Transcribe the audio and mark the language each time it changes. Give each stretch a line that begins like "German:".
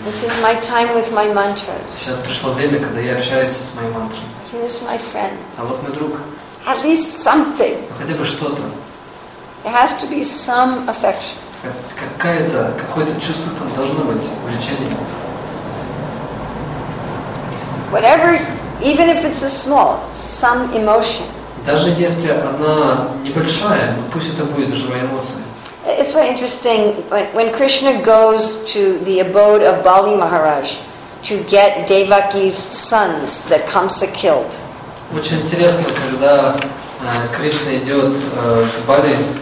English: This is my time with my mantras.
Russian: Сейчас пришло время, когда я общаюсь с моей мантрой.
English: Here is my friend.
Russian: А вот мой друг.
English: At least something.
Russian: Хотя бы что-то.
English: There has to be some affection.
Russian: Какое-то чувство там должно быть, увлечение.
English: Whatever, even if it's a small, some emotion.
Russian: Даже если она небольшая, но пусть это будет живая эмоция.
English: If it's so interesting, when Krishna goes to the abode of Bali Maharaj to get Devaki's sons that Kamsa killed.
Russian: Очень интересно, когда Кришна идет к Бали,